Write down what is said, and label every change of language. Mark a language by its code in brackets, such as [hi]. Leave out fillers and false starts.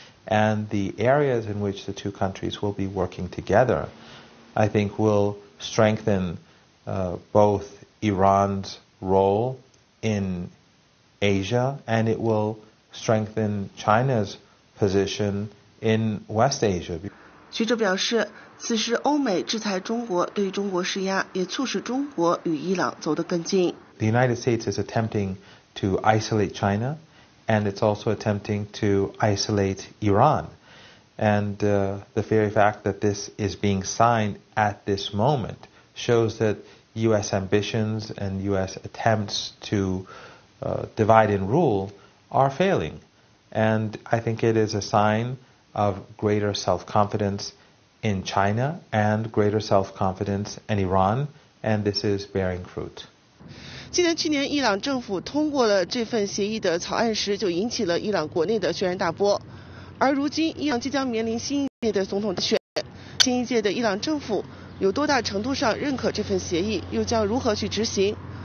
[en] And the areas in which the two countries will be working together, I think, will strengthen both Iran's role in Asia and it will strengthen China's position in West Asia. [zh] 学者表示，此时欧美制裁中国，对中国施压，也促使中国与伊朗走得更近。 [en] The United States is attempting to isolate China, and it's also attempting to isolate Iran. And the very fact that this is being signed at this moment shows that U.S. ambitions and U.S. attempts to divide and rule are failing. And I think it is a sign of greater self-confidence in China and greater self-confidence in Iran, and this is bearing fruit. [zh] 记得去年伊朗政府通过了这份协议的草案时，就引起了伊朗国内的轩然大波。而如今，伊朗即将面临新一届的总统大选，新一届的伊朗政府有多大程度上认可这份协议，又将如何去执行？